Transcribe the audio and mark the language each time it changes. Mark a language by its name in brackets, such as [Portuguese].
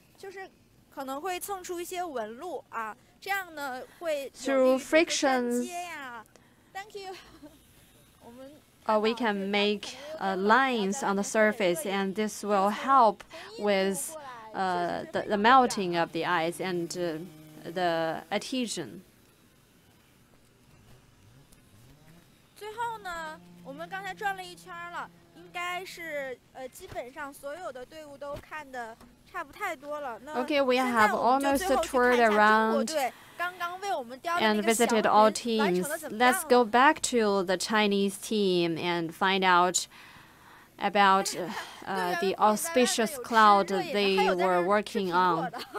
[Chinese] 就是可能会蹭出一些纹路, 啊, 这样呢, 会有一个粘接啊, [English] through frictions. Thank you. [Chinese] 我们, [English] we can make lines on the surface, and this will help with the melting of the ice and the adhesion. [Chinese] 最后呢，我们刚才转了一圈了，应该是基本上所有的队伍都看的差不太多了。 [English] Okay, we have almost toured around and visited all teams. Let's go back to the Chinese team and find out about the auspicious cloud they were working on.